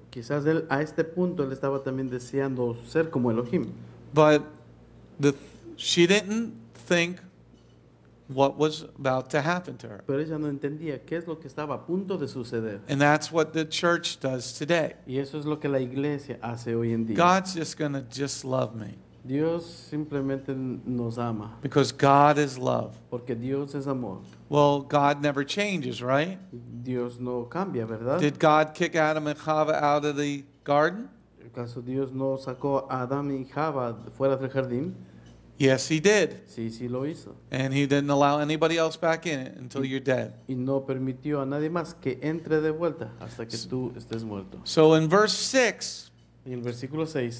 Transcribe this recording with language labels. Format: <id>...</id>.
<es>Quizás él a este punto él estaba también deseando ser como Elohim.</es> <en>But she didn't think what was about to happen to her.</en> <es>Pero ella no entendía qué es lo que estaba a punto de suceder.</es> <en>And that's what the church does today.</en> <es>Y eso es lo que la iglesia hace hoy en día.</es> <en>God's just going to just love me.</en> <es>Dios simplemente nos ama.</es> <en>Because God is love.</en> <es>Porque Dios es amor.</es> <en>Well, God never changes, right?</en> <es>Dios no cambia, ¿verdad?</es> <en>Did God kick Adam and Eve out of the garden?</en> <es>¿Acaso Dios no sacó a Adam y Eve fuera del jardín?</es> <en>Yes, he did.</en> <es>Sí, sí lo hizo.</es> <en>And he didn't allow anybody else back in it until you're dead.</en> <es>Y no permitió a nadie más que entre de vuelta hasta que tú estés muerto.</es> <en>So in verse 6,</en> <es>en el versículo 6,</es>